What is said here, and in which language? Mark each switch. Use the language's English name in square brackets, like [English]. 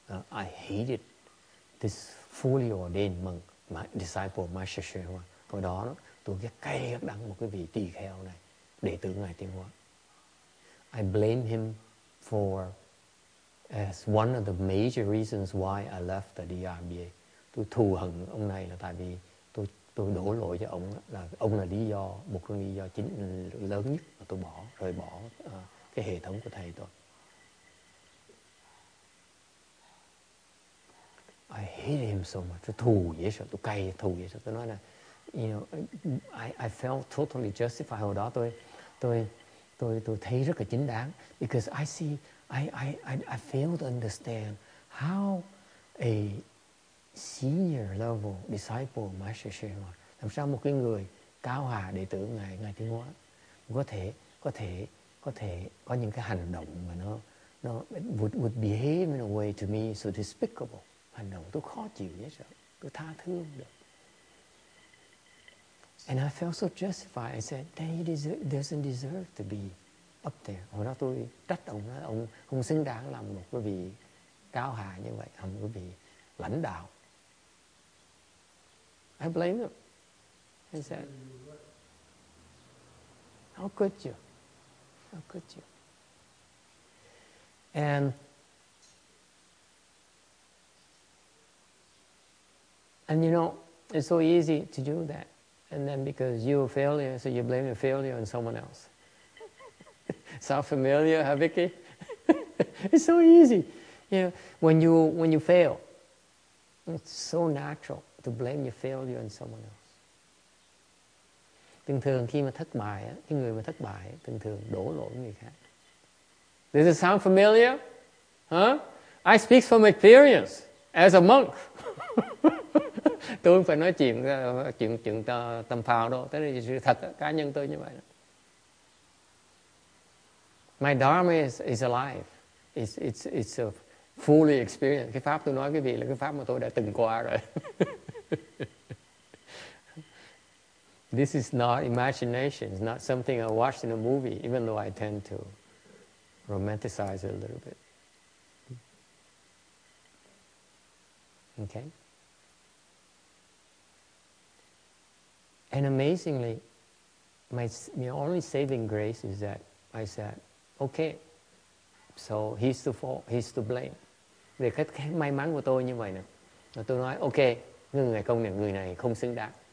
[English] I hated this fully ordained monk, my disciple, my Shishuwa. [Vietnamese] Hồi đó, tôi ghét cay ghét đắng một cái vị tỳ kheo này, đệ tử ngài Tiên Hóa. [English] I blame him for as one of the major reasons why I left the DRBA. [Vietnamese] Tôi thù hận ông này là tại vì tôi đổ lỗi cho ông là ông là lý do, một lý do chính lớn nhất mà tôi rời bỏ cái hệ thống của thầy tôi. [English] I hated him so much. [Vietnamese] Tôi thù dễ sợ. Tôi nói là, [English] you know, I felt totally justified. [Vietnamese] Hồi đó tôi thấy rất là chính đáng. [English] Because I see, I failed to understand how a senior level disciple Master Shema, [Vietnamese] làm sao một cái người cao hạ đệ tử ngài Tiên Hóa có thể có những cái hành động mà nó [English] would behave in a way to me so despicable. [Vietnamese] Hành động tôi khó chịu dễ sợ, tôi tha thứ không được. [English] And I felt so justified. I said, then he doesn't deserve to be up there. [Vietnamese] Hồi đó tôi trách ông, nói ông không xứng đáng làm một cái vị cao hạ như vậy, làm một cái vị lãnh đạo. [English] I blame him. I said, how could you? And you know, it's so easy to do that. And then because you're a failure, so you blame your failure on someone else. Sound familiar, Habiki? It's so easy. You know, when you fail, it's so natural to blame your failure on someone else. [Vietnamese] Thường thường khi mà thất bại, cái người mà thất bại, thường thường đổ lỗi người khác. [English] Does it sound familiar? Huh? I speak from experience as a monk. [Vietnamese] Tôi không phải nói chuyện tâm phào đâu. Thế là sự thật đó, cá nhân tôi như vậy đó. [English] My dharma is alive. It's a fully experienced. [Vietnamese] Cái pháp tôi nói quý vị là cái pháp mà tôi đã từng qua rồi. [English] This is not imagination. It's not something I watched in a movie, even though I tend to romanticize it a little bit. Okay? And amazingly, my only saving grace is that I said, okay. So he's to fault, he's to blame. [Vietnamese] Về cái may mắn của tôi như vậy nè. Và tôi nói, ok, người này không xứng đáng.